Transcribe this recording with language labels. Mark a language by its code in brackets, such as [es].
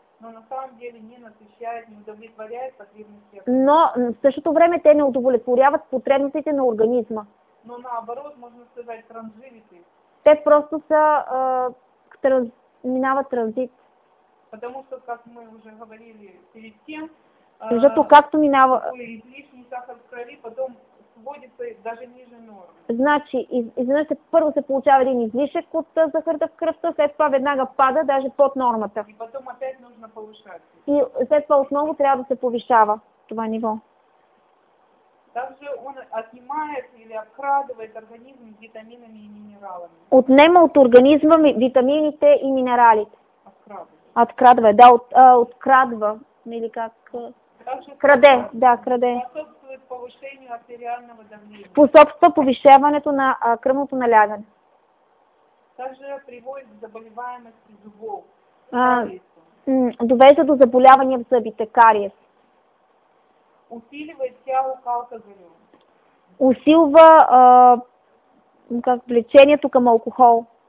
[ru] Но на самом деле не насыщает, не удовлетворяет потребности. [bg] Но в същото време те не удовлетворяват потребностите на организма. [ru] Но наоборот, можно сказать, транзивиты. [bg] Те просто са, минават транзит. [ru] Потому что, как мы уже говорили перед тем, [bg] защото както минава... [ru] излишний сахар в крови потом сводится даже ниже нормы. [bg] Значи, извинете, първо се получава един излишък от захарта в кръвта, след това веднага пада, даже под нормата. [ru] И потом опять нужно повышать. [bg] И след това отново трябва да се повишава това ниво. [ru] Также он отнимает или обкрадывает организм витаминами и минералами. [bg] Отнема от организма витамините и минералите. Открадва. Открадва, да, открадва. Или как... Краде, да, краде. [ru] Способствует повышению артериального давления. [bg] Способства повишаването на кръвното налягане. [ru] Также приводит к заболеваемости зубов. [bg] Довежда до заболявания в зъбите, кариес. [ru] Усиливает тяго к алкоголю. [bg] Усилва как влечението към алкохол.